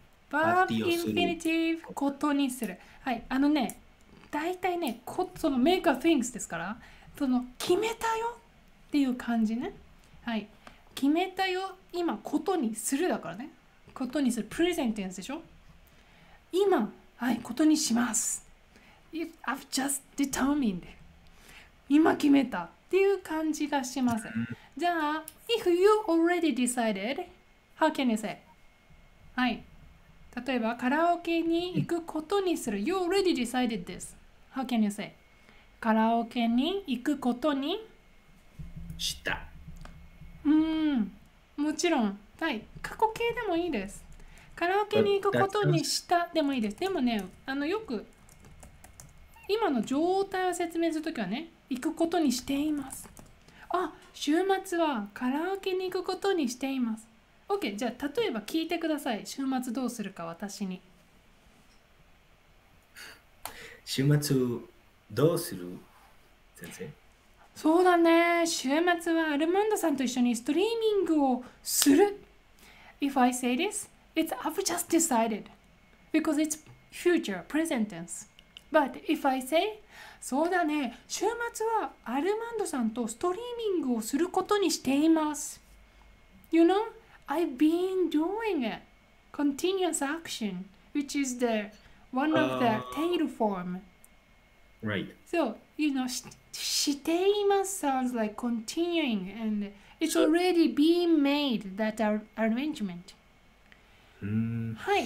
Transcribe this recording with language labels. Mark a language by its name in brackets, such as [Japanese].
[Japanese] バーブインフィニティブことにする。はい、あのね、だいたいね、その make a things ですから、その決めたよっていう感じね。はい、決めたよ、今ことにするだからね。ことにする、プレゼンテンスでしょ。今、はい、ことにします。 [English] I've just determined. [Japanese] 今決めたっていう感じがします。 [English] じゃあ、if you already decided, how can you say? [Japanese] はい、例えばカラオケに行くことにする。 [English] You already decided this. How can you say? [Japanese] カラオケに行くことにした。もちろん、はい、過去形でもいいです。カラオケに行くことにしたでもいいです。でもね、よく今の状態を説明するときはね、行くことにしています。あ、週末はカラオケに行くことにしています。 OK、じゃあ例えば聞いてください。週末どうするか私に。週末どうする先生。そうだね。週末はアルマンドさんと一緒にストリーミングをする。 [English] If I say this, it's I've just decided. Because it's future, present tense. But if I say, [Japanese] そうだね。週末はアルマンドさんとストリーミングをすることにしています。 [English] You know? I've been doing it. Continuous action, which is the one of the tail form. Right. So, you know, [Japanese] しています [English] sounds like continuing, and it's already been made that arrangement.、はい、